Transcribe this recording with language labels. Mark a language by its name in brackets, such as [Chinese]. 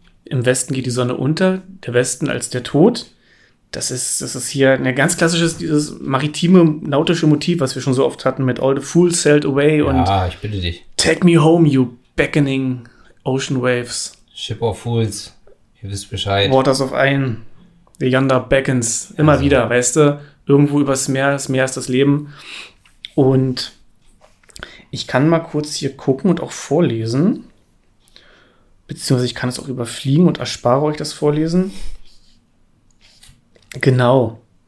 [German] Im Westen geht die Sonne unter, der Westen als der Tod. Das ist hier ein ganz klassisches, dieses maritime, nautische Motiv, was wir schon so oft hatten mit All the Fools Sailed Away und ja, ich bitte dich. [English] Take me home, you beckoning ocean waves. [German] Ship of Fools, ihr wisst Bescheid. [English] Waters of Iron, the yonder beckons, [German] immer also, wieder, weißt du, irgendwo übers Meer, das Meer ist das Leben. Und ich kann mal kurz hier gucken und auch vorlesen, beziehungsweise ich kann es auch überfliegen und erspare euch das Vorlesen. Genau.